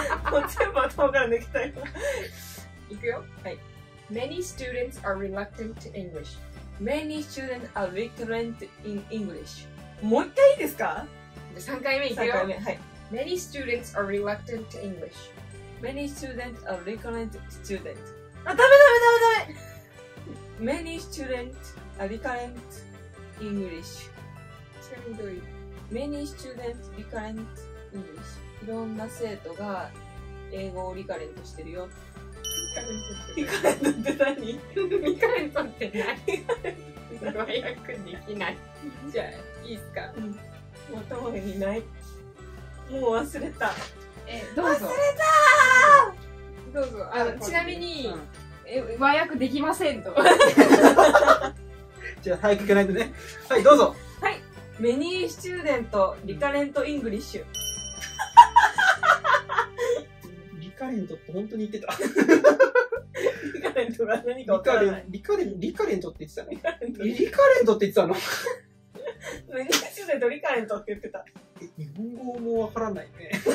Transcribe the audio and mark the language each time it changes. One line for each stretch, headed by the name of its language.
Japanese: もう全部頭から抜きたい。いくよ。はい。
English: Many students are reluctant to English. Many students are reluctant in English.
Japanese: もう一回いいですか？じゃあ3回目いくよ。 3回目、はい。
English: Many students are reluctant to English. Many students are reluctant students.
Japanese: あ、ダメダメダメダメ。
English: Many students are recurrent English. Many students recurrent English.
Japanese: いろんな生徒が英語をリカレントしてるよ。リカレントって何？リカレントって何？リカレントって何？和訳できない。じゃあ、いいっすか。もう頭にない。もう忘れた。え、どうぞ。忘れたー！ どうぞ。あ、ちなみに、うん、え、和訳できませんと。じゃあ、早く行かないとね。はい、どうぞ。はい。
English: Many student recurrent English.
Japanese: リカレントって本当に言ってた。リカレントが何か分からない。リカレントって言ってたの。リカレントって言ってたの。
English: Many student recurrent
Japanese: って言ってた。日本語もわからないね。